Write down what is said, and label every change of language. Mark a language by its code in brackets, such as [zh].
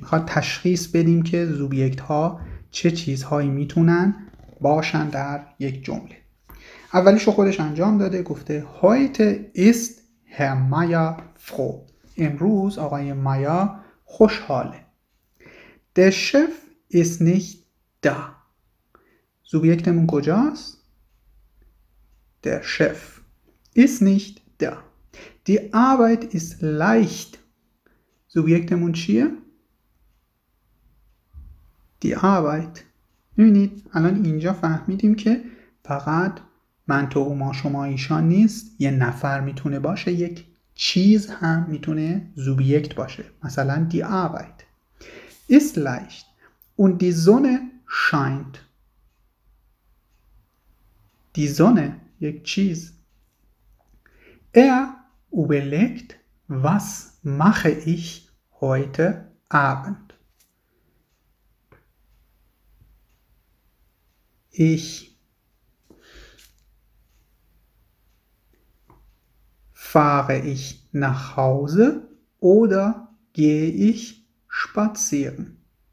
[fa] میخواد تشخیص بدیم که زوبیکت ها چه چیزهایی میتونن باشن در یک جمله. اولیشو خودش انجام داده، گفته [de] heute ist Herr Meier froh، [fa] امروز آقای مایا خوشحاله. [de] Der Chef ist nicht da، [fa] زوبیکتمون کجاست؟ [de] Der Chef ist nicht da. Die Arbeit ist leicht، [fa] زوبیکتمون چیه؟ [de] Die Arbeit. [fa] می‌بینید الان اینجا فهمیدیم که فقط من تو و ما شما ایشان نیست، یه نفر میتونه باشه، یک چیز هم میتونه زوبیکت باشه، مثلا [de] die Arbeit ist leicht und die Sonne scheint. Die Sonne [fa] یک چیز. [de] überlegt was mache ich heute Abend. Ich fahre ich nach Hause oder gehe ich spazieren?